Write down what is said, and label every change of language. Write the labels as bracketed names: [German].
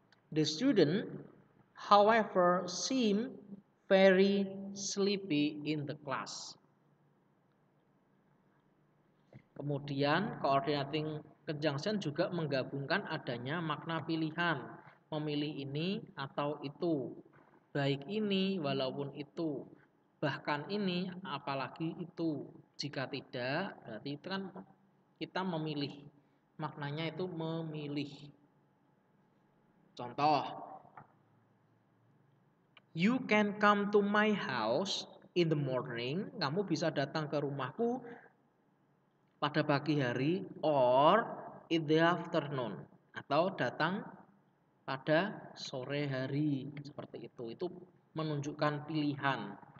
[English] The student, however, seemed very sleepy in the class. [Indonesian] Kemudian, coordinating conjunction juga menggabungkan adanya makna pilihan, memilih ini atau itu, baik ini walaupun itu, bahkan ini apalagi itu. Jika tidak, berarti itu kan kita memilih. Maknanya itu memilih. Contoh. [English] You can come to my house in the morning. [Indonesian] Kamu bisa datang ke rumahku pada pagi hari, [English] or in the afternoon. [Indonesian] Atau datang pada sore hari. Seperti itu. Itu menunjukkan pilihan.